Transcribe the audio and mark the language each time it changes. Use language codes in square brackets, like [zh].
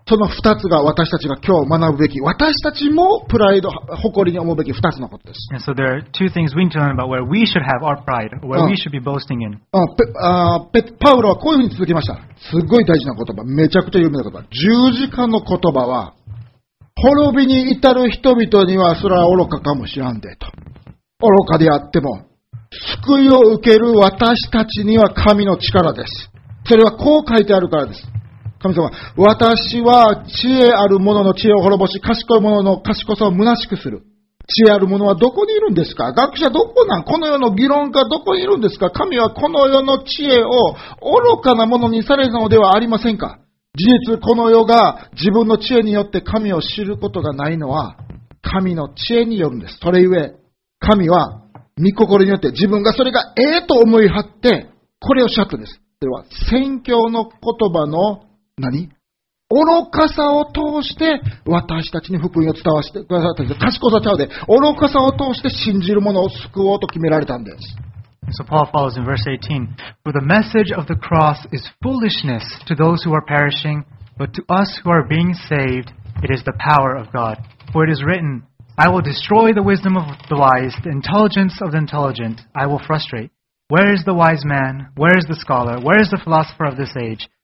[ja] その2つが私たちが今日学ぶべき、私たちもプライド、誇りに思うべき2つのことです。 [en] And so there are two things we need to learn about where we should have our pride, where we should be boasting in. [ja] パウロはこういうふうに続きました。すごい大事な言葉、めちゃくちゃ有名な言葉。十字架の言葉は、滅びに至る人々にはそれは愚かかもしらんでと。愚かであっても、救いを受ける私たちには神の力です。それはこう書いてあるからです。神様、私は知恵ある者の知恵を滅ぼし、賢い者の賢さを虚しくする。知恵ある者はどこにいるんですか？学者どこなん？この世の議論家どこにいるんですか？神はこの世の知恵を愚かなものにされたのではありませんか？事実、この世が自分の知恵によって神を知ることがないのは神の知恵によるんです。それゆえ、神は御心によって自分がそれがええと思い張ってこれをシャットです。では宣教の言葉の何愚かさを通して私たちに福音を伝わせてくださったんです。賢さちゃうで、愚かさを通して信じる者を救おうと決められたんです。 [en] So Paul follows in verse 18. For the message of the cross is foolishness to those who are perishing, but to us who are being saved it is the power of God. For it is written,I will destroy the wisdom of the wise, the intelligence of the intelligent, I will frustrate. Where is the wise man? Where is the scholar? Where is the philosopher of this age?